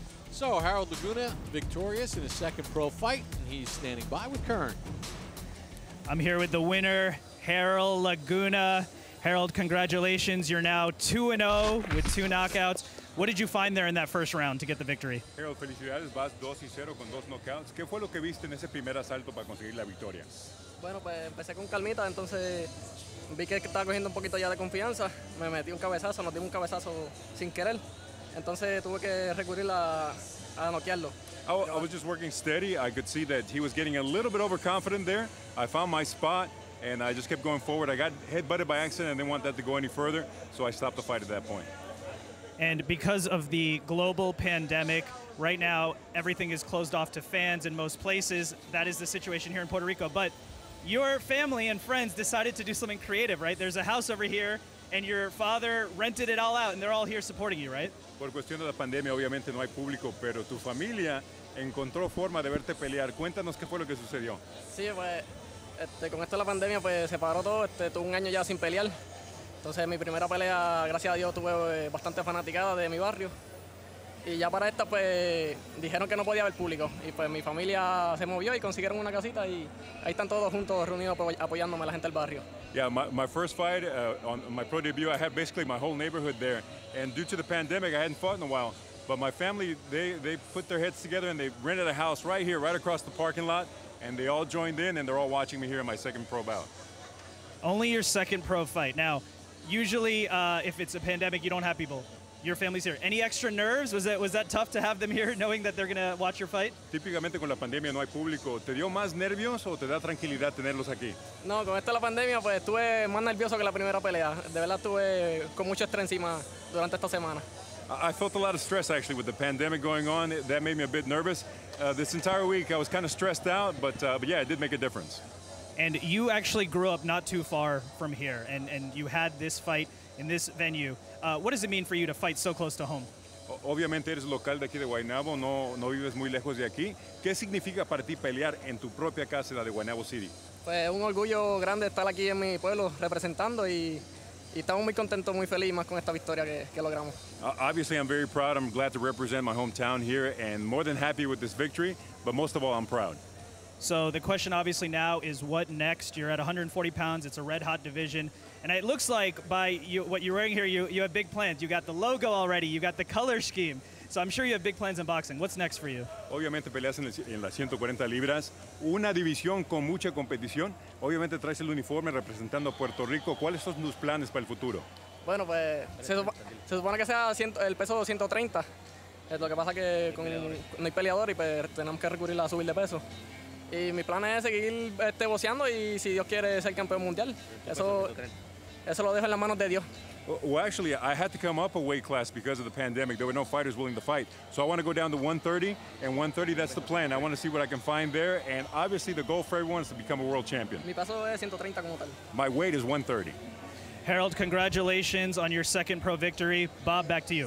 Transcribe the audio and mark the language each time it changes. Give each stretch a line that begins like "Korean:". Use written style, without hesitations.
English: So Harold Laguna victorious in his second pro fight, and he's standing by with Kern. I'm here with the winner, Harold Laguna. Harold, congratulations. You're now 2-0 with two knockouts. What did you find there in that first round to get the victory?
Spanish: Harold, felicidades. Vas 2-0 con dos knockouts. ¿Qué fue lo que viste en ese primer asalto para conseguir la victoria? Bueno, pues empecé con calmita, entonces vi que estaba cogiendo un poquito ya de confianza. Me metí un cabezazo, nos dimos un cabezazo sin querer. Entonces tuve que recurrir a noquearlo.
English: I was just working steady. I could see that he was getting a little bit overconfident there. I found my spot, and I just kept going forward. I got headbutted by accident and didn't want that to go any further, so I stopped the fight at that point. And because of the global pandemic, right now everything is closed off to fans in most places. That is the situation here in Puerto Rico. But your family and friends decided to do something creative, right? There's a house over here, and your father rented it all out, and they're all here supporting you, right?
Spanish: Por cuestión de la pandemia, obviamente no hay público, pero tu familia encontró forma de verte pelear. Cuéntanos qué fue lo que sucedió. Sí, pues, con esto de la pandemia, pues, se paró todo. Tuve un año ya sin pelear. Entonces, mi primera pelea, gracias a Dios, tuve bastante fanaticada de mi barrio. Y ya para esta, pues, dijeron que no podía haber público. Y, pues, mi familia se movió y consiguieron una casita. Y ahí están todos juntos, reunidos, pues, apoyándome la gente del barrio.
English: Yeah, my first fight, on my pro debut, I had basically my whole neighborhood there. And due to the pandemic, I hadn't fought in a while. But my family, they put their heads together and they rented a house right here, right across the parking lot. And they all joined in and they're all watching me here in my second pro bout. Only your second pro fight. Now, usually if it's a pandemic, you don't have people. Your family's here. Any extra nerves? Was that tough to have them here knowing that they're going to watch your fight?
Spanish: Típicamente con la pandemia no hay público. ¿Te dio más nervios o te da tranquilidad tenerlos aquí? No, con esta la pandemia pues estuve más nervioso que la primera pelea. De verdad estuve con mucho estrés encima durante esta semana.
English: I felt a lot of stress actually with the pandemic going on. That made me a bit nervous. This entire week I was kind of stressed out, but yeah, it did make a difference. And you actually grew up not too far from here and you had this fight in this venue. What does it mean for you to fight so close to home?
Spanish: Obviamente eres local de aquí de Guaynabo, no vives muy lejos de aquí. ¿Qué significa para ti pelear en tu propia casa, la de Guaynabo City? Pues un orgullo grande estar aquí en mi pueblo representando y estamos muy contentos, muy felices más con esta victoria que logramos.
English: Obviously I'm very proud. I'm glad to represent my hometown here and more than happy with this victory, but most of all I'm proud. So the question obviously now is what next? You're at 140 pounds, it's a red hot division. And it looks like by what you're wearing here, you have big plans. You got the logo already. You got the color scheme. So I'm sure you have big plans in boxing. What's next for you?
Spanish: Obviamente peleas en las 140 libras. Una división con mucha competición. Obviamente traes el uniforme representando a Puerto Rico. ¿Cuáles son tus planes para el futuro? Bueno, pues se supone que sea el peso 130. Lo que pasa que no hay peleador y pues tenemos que recurrir a subir de peso. Y mi plan es seguir boxeando y si Dios quiere ser campeón mundial. Eso lo dejo en las manos de Dios.
English: Well, actually, I had to come up a weight class because of the pandemic. There were no fighters willing to fight. So I want to go down to 130, and 130, that's the plan. I want to see what I can find there. And obviously, the goal for everyone is to become a world champion.
Spanish: Mi peso es 130 como tal.
English: My weight is 130. Harold, congratulations on your second pro victory. Bob, back to you.